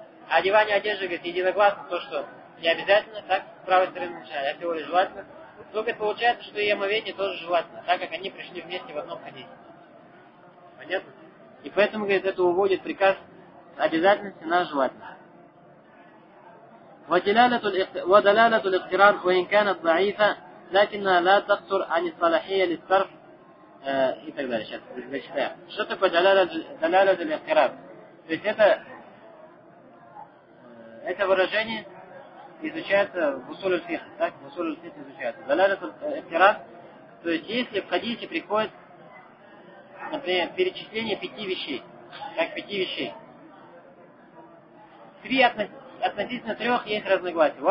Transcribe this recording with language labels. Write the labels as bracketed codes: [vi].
[ru] А одевание одежды, говорит, единогласно то, что не обязательно, так, с правой стороны начинать, а всего лишь желательно. Но, говорит, получается, что и омовение тоже желательно, так как они пришли вместе в одном хадисе. Понятно? И поэтому, говорит, это уводит приказ обязательности на желательно. [ar] ودلالة الاقتران وإن كانت ضعيفة لكنها لا تقصر عن الصلاحية للصرف [ru] и так далее. Сейчас зачитаю. Что такое [ar] دلالة الاقتران? [ru] То есть это выражение изучается в усуле фикх, так? В усуле фикх изучается. [ar] دلالة الاقتران, [ru] то есть если в хадисе приходит, например, перечисление пяти вещей, как пяти вещей, три относительно трех есть разногласия.